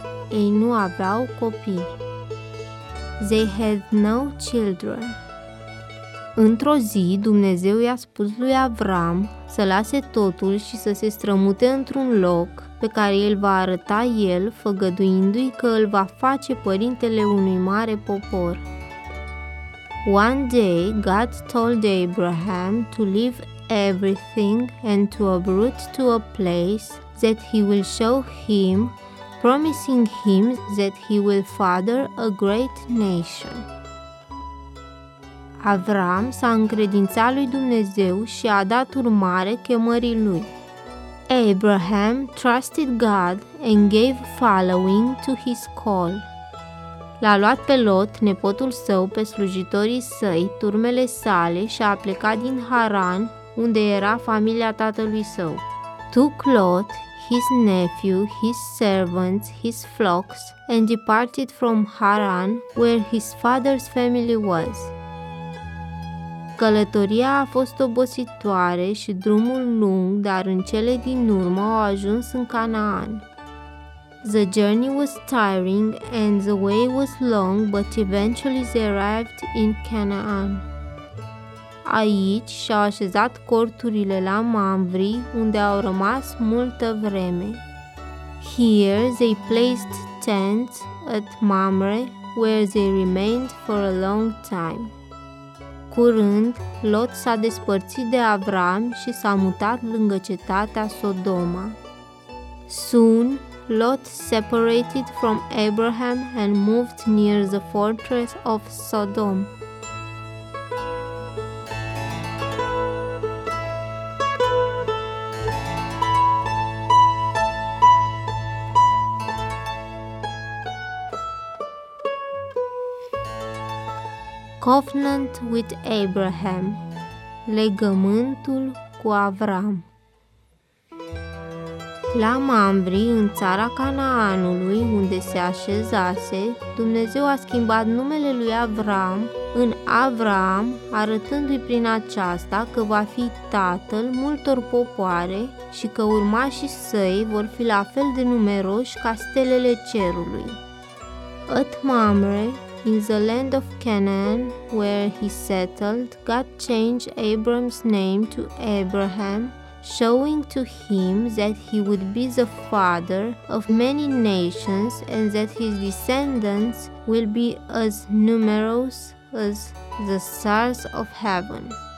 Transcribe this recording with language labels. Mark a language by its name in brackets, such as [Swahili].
[Romanian] Ei nu aveau copii. [English] They had no children. [Romanian] Într-o zi, Dumnezeu i-a spus lui Avram să lase totul și să se strămute într-un loc pe care îl va arăta el, făgăduindu-i că îl va face părintele unui mare popor. [English] One day, God told Abraham to leave everything and to uproot to a place that he will show him, promising him that he will father a great nation. [Romanian] Avram s-a încredințat lui Dumnezeu și a dat urmare chemării lui. [English] Abraham trusted God and gave following to his call. [Romanian] L-a luat pe Lot, nepotul său, pe slujitorii săi, turmele sale și a plecat din Haran, unde era familia tatălui său. [English] Took Lot, his nephew, his servants, his flocks, and departed from Haran, where his father's family was. [Romanian] Călătoria a fost obositoare și drumul lung, dar în cele din urmă au ajuns în Canaan. [English] The journey was tiring and the way was long, but eventually they arrived in Canaan. [Romanian] Aici și-au așezat corturile la Mamri, unde au rămas multă vreme. [English] Here they placed tents at Mamre, where they remained for a long time. [Romanian] Curând, Lot s-a despărțit de Avram și s-a mutat lângă cetatea Sodoma. [English] Soon, Lot separated from Abraham and moved near the fortress of Sodom. Covenant with Abraham. [Romanian] Legământul cu Avram. La Mamre, în țara Canaanului, unde se așezase, Dumnezeu a schimbat numele lui Avram în Avraam, arătându-i prin aceasta că va fi tatăl multor popoare și că urmașii săi vor fi la fel de numeroși ca stelele cerului. [English] At Mamre, in the land of Canaan, where he settled, God changed Abram's name to Abraham, showing to him that he would be the father of many nations and that his descendants will be as numerous as the stars of heaven.